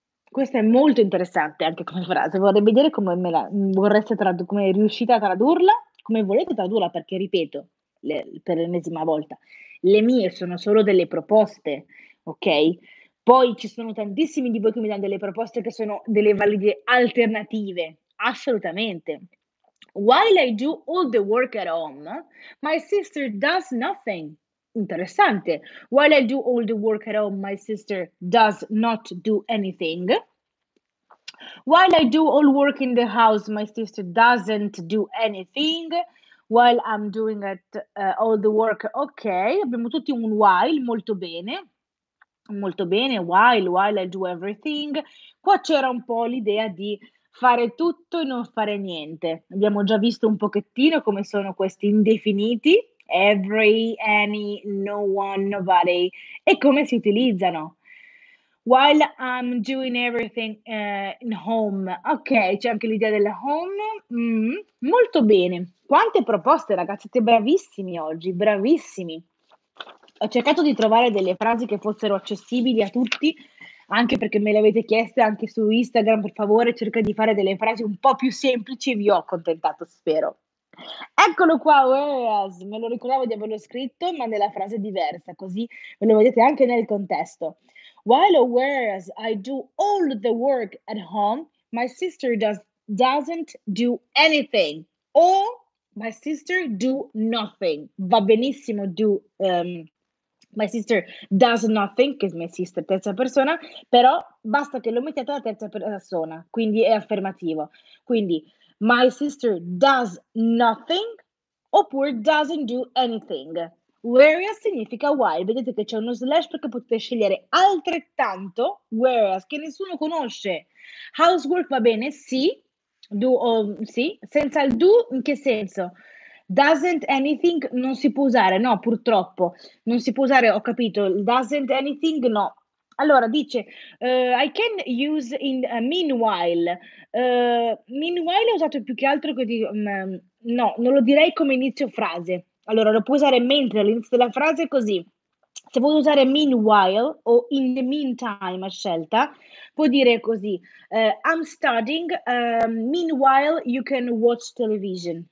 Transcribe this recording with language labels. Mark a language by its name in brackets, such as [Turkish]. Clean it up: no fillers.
[Italian] Questa è molto interessante anche come frase, vorrei vedere come me la vorreste tradurre, come riuscite a tradurla, come volete tradurla, perché ripeto, per l'ennesima volta, le mie sono solo delle proposte, ok? Poi ci sono tantissimi di voi che mi danno delle proposte che sono delle valide alternative, assolutamente. [English] While I do all the work at home, my sister does nothing. [Italian] Interessante. [English] While I do all the work at home, my sister does not do anything. While I do all work in the house, my sister doesn't do anything. While I'm doing it, all the work, ok. [Italian] Abbiamo tutti un while, molto bene. Molto bene, [English] while I do everything. [Italian] Qua c'era un po' l'idea di fare tutto e non fare niente. Abbiamo già visto un pochettino come sono questi indefiniti. [English] Every, any, no one, nobody. [Italian] E come si utilizzano? [English] While I'm doing everything in home. [Italian] Ok, c'è anche l'idea del home. Molto bene. Quante proposte, ragazzi, siete bravissimi oggi, bravissimi. Ho cercato di trovare delle frasi che fossero accessibili a tutti, anche perché me le avete chieste anche su Instagram, per favore, cerca di fare delle frasi un po' più semplici. Vi ho accontentato, spero. Eccolo qua, whereas, me lo ricordavo di averlo scritto, ma nella frase diversa, così me lo vedete anche nel contesto. [English] While or whereas I do all the work at home, my sister doesn't do anything, or my sister do nothing. [Italian] Va benissimo, [English] my sister does nothing, [Italian] che è my sister, terza persona, però basta che lo mettiate alla terza persona, quindi è affermativo. Quindi, [English] my sister does nothing [Italian] oppure [English] doesn't do anything. Whereas [Italian] significa [English] while. [Italian] Vedete che c'è uno slash perché potete scegliere altrettanto whereas che nessuno conosce. Housework va bene? Sì. Do, sì. Senza il do, in che senso? [English] Doesn't anything [Italian] non si può usare? No, purtroppo. Non si può usare, ho capito. [English] Doesn't anything no. [Italian] Allora, dice, [English] I can use in meanwhile. [Italian] Meanwhile è usato più che altro così. No, non lo direi come inizio frase. Allora, lo puoi usare mentre all'inizio della frase è così. Se vuoi usare meanwhile o [English] in the meantime [Italian] a scelta, puoi dire così. [English] I'm studying, meanwhile you can watch television.